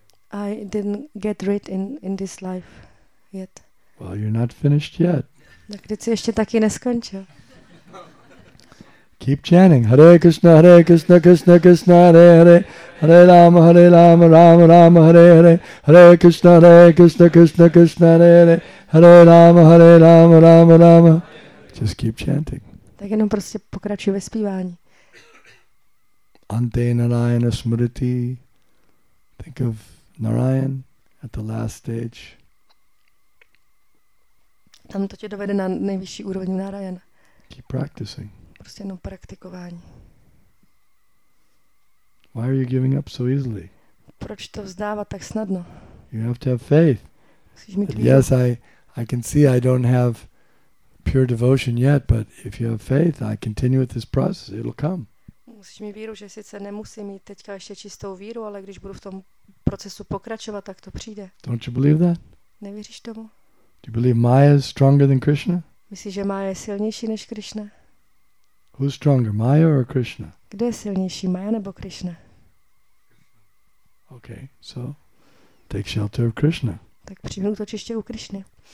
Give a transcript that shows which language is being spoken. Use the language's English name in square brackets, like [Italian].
[English] I didn't get rid in this life yet. Well, you're not finished yet. [Czech] Tak ty jsi ještě taky neskončil. [English] Keep chanting. [Sanskrit] Hare Krishna, Hare Krishna, Krishna Krishna, Hare Hare. Hare Rama, Hare Rama, Rama Rama, Hare Hare. Hare Krishna, Hare Krishna, Krishna Krishna, Hare Hare. Hare Rama, Hare Rama, Rama Rama. [English] Just keep chanting. [Czech] Tak jenom prostě pokračuj ve zpívání. [Sanskrit] Ante Narayana Smriti. [English] Think of Narayan at the last stage. [Czech] Tam to tě dovede na nejvyšší úroveň Narayana. [English] Keep practicing. [Czech] Prostě jenom praktikování. [English] Why are you giving up so easily? [Czech] Proč to vzdávat tak snadno? [English] You have to have faith. [Czech] Musíš mít víru. [English] Yes, I can see I don't have pure devotion yet, but if you have faith, I continue with this process, it'll come. [Czech] Musíš mít víru, že sice nemusím mít teďka ještě čistou víru, ale když budu v tom procesu pokračovat, tak to přijde. [English] Don't you believe that? [Czech] Nevěříš tomu? [English] Do you believe Maya is stronger than Krishna? [Czech] Myslíš, že Maya je silnější než Krishna? [English] Who's stronger, Maya or Krishna? [Czech] Kdo je silnější, Maya nebo Krishna? [English] Okay, so take shelter of Krishna. [Czech] Tak přijmi útočiště u Krishny.